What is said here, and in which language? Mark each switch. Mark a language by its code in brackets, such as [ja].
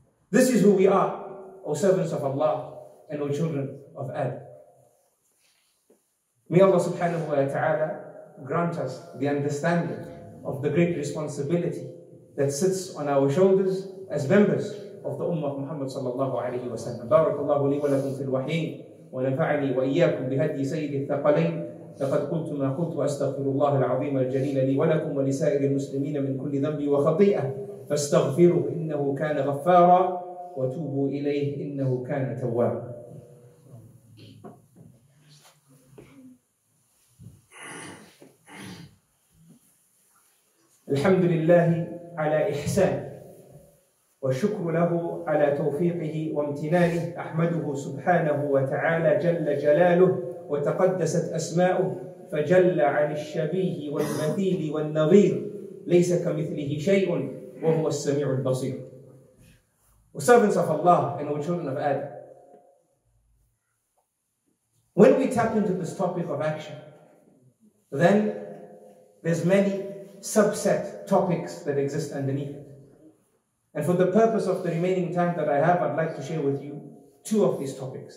[en] This is who we are, O servants of Allah and O children of Adam. May Allah [ar] subhanahu wa ta'ala [en] grant us the understanding of the great responsibility that sits on our shoulders as members of the Ummah of Muhammad [ar] sallallahu alayhi wa sallam. Barakallahu li wa lakum fil wahin wa nafa'ani wa iyaakum bihadi sayyidi thaqalain. لقد قلت ما قلت وأستغفر الله العظيم الجليل لي ولكم ولسائر المسلمين من كل ذنب وخطيئة فاستغفروه إنه كان غفارا وتوبوا إليه إنه كان توابا. الحمد لله على إحسانه وشكر له على توفيقه وامتنانه. أحمده سبحانه وتعالى جل جلاله وتقدست أسماؤه فجل عن الشبيه والمثيل والنظير ليس كمثله شيء وهو السميع البصير. [en] Servants of Allah and our children of Adam, when we tap into this topic of action, then there's many subset topics that exist underneath it. And for the purpose of the remaining time that I have, I'd like to share with you two of these topics.